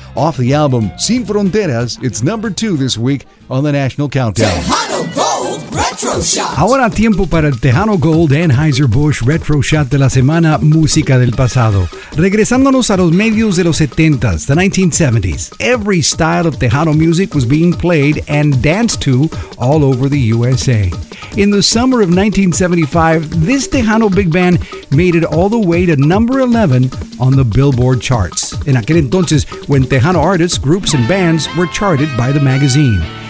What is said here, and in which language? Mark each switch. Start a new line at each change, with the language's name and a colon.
English: Off the album Sin Fronteras, it's number 2 this week on the National Countdown. Tejano Gold Retro Shot.
Spanish: Ahora tiempo para el Tejano Gold Anheuser-Busch Retro Shot de la semana, música del pasado. Regresándonos a los medios de los 70s,
English: the 1970s. Every style of Tejano music was being played and danced to all over the USA. In the summer of 1975, this Tejano big band made it all the way to number 11 on the Billboard charts.
Spanish: En aquel entonces,
English: when Tejano artists, groups, and bands were charted by the magazine.